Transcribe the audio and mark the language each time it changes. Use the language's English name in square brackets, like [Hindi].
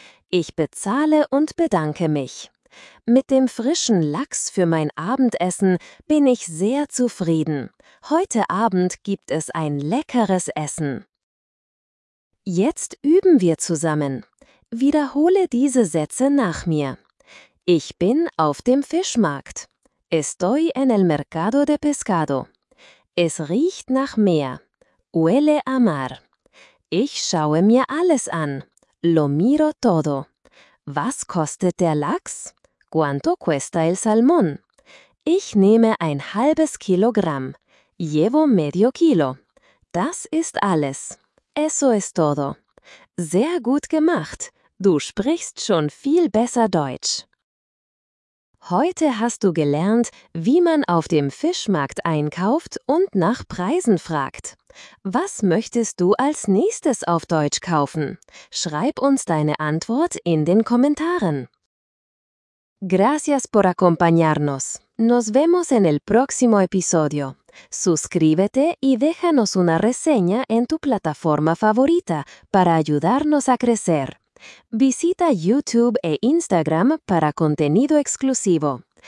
[German] Ich bezahle und bedanke mich. Mit dem frischen Lachs für mein Abendessen bin ich sehr zufrieden. Heute Abend gibt es ein leckeres Essen. Jetzt üben wir zusammen. Wiederhole diese Sätze nach mir. Ich bin auf dem Fischmarkt. [Spanish] Estoy en el mercado de pescado. [German] Es riecht nach Meer. [Spanish] Huele a mar. [German] Ich schaue mir alles an. [Spanish] Lo miro todo. [German] Was kostet der Lachs? [Spanish] ¿Cuánto cuesta el salmón? [German] Ich nehme ein halbes Kilogramm. [Spanish] Llevo medio kilo. [German] Das ist alles. [Spanish] Eso es todo. [German] Sehr gut gemacht. Du sprichst schon viel besser Deutsch. Heute hast du gelernt, wie man auf dem Fischmarkt einkauft und nach Preisen fragt. Was möchtest du als nächstes auf Deutsch kaufen? Schreib uns deine Antwort in den Kommentaren. [Spanish] Gracias por acompañarnos. Nos vemos en el próximo episodio. Suscríbete y déjanos una reseña en tu plataforma favorita para ayudarnos a crecer. Visita YouTube e Instagram para contenido exclusivo.